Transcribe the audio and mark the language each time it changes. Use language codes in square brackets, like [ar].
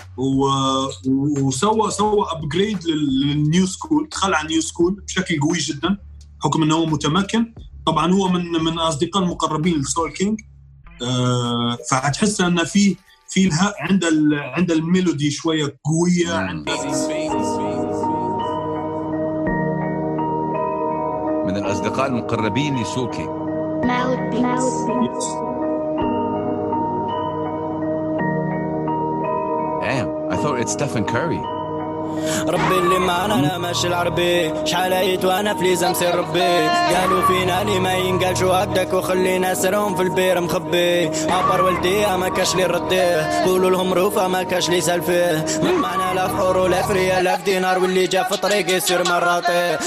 [ar] وسوى ابجريد للنيو سكول، دخل على النيو سكول بشكل قوي جدا بحكم انه هو متمكن. طبعا هو من اصدقاء المقربين لسول كينج. فهتحس ان في في الهاء عند ال... عند الميلودي شوية قوية عند من الأصدقاء المقربين لسوكي [en] Damn, I thought it's Stephen Curry. [ar] ربي اللي معنا انا ماشي العربي شحال عيت وانا في ليزام سير ربي قالوا فينا اللي ما ينقلش وقدك وخلينا سرهم في البير مخبي عبر ولديها ما كاش لي رديه قولوا لهم روفة ما كاش لي سلفيه معنا لا فحور ولا فريا لا في دينار واللي جا في طريقي سير مراتي